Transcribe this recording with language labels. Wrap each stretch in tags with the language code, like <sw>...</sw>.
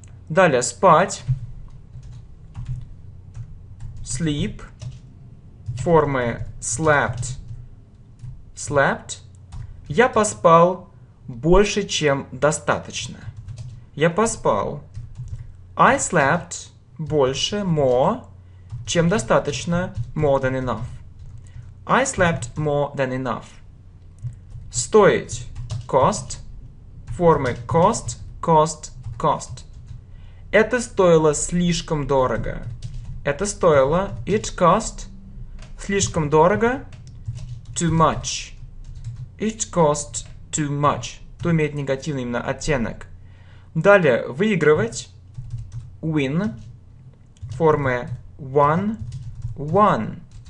<ru>Далее, спать.</ru> <en>Sleep.</en> <ru>Формы slept.</ru> <en>Slept.</en> <ru>Я поспал больше, чем достаточно. Я поспал.</ru> <en>I slept</en> <ru>больше,</ru> <en>more,</en> <ru>чем достаточно,</ru> <en>more than enough. I slept more than enough.</en> <ru>Стоить,</ru> <en>cost,</en> <ru>формы</ru> <en>cost, cost, cost.</en> <ru>Это стоило слишком дорого. Это стоило,</ru> <en>it cost,</en> <ru>слишком дорого,</ru> <en>too much. It cost too much.</en> <ru>То имеет негативный именно оттенок. Далее, выигрывать, win, формы</ru> <en>won, won.</en>